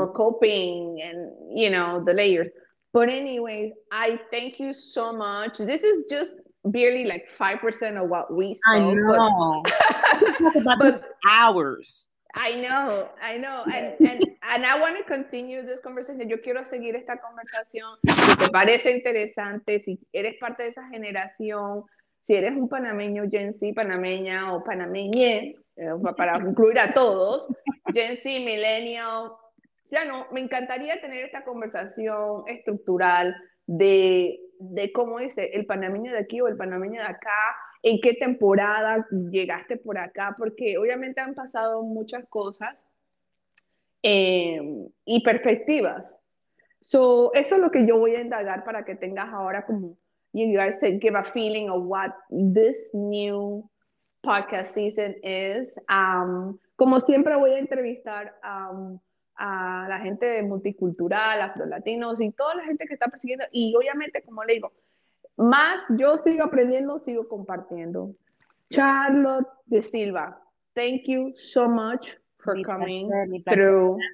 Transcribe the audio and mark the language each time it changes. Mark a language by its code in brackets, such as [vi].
[en] or coping and, you know, the layers. But anyway, I thank you so much. This is just barely like 5% of what we saw. I know. But, we can talk about this for hours. I know. And I want to continue this conversation. [es] Yo quiero seguir esta conversación. Si te parece interesante, si eres parte de esa generación, si eres un panameño, Gen Z, panameña o panameñe, para incluir a todos, Gen Z, millennial, ya no, me encantaría tener esta conversación estructural de cómo dice el panameño de aquí o el panameño de acá, en qué temporada llegaste por acá, porque obviamente han pasado muchas cosas y perspectivas. [en] So, [es] eso es lo que yo voy a indagar para que tengas ahora como, [en] you guys can give a feeling of what this new podcast season is. [es] Como siempre voy a entrevistar a la gente multicultural, afro-latinos y toda la gente que está persiguiendo. Y obviamente, como le digo, más yo sigo aprendiendo, sigo compartiendo. [en] Charlotte de Silva, thank you so much for coming through.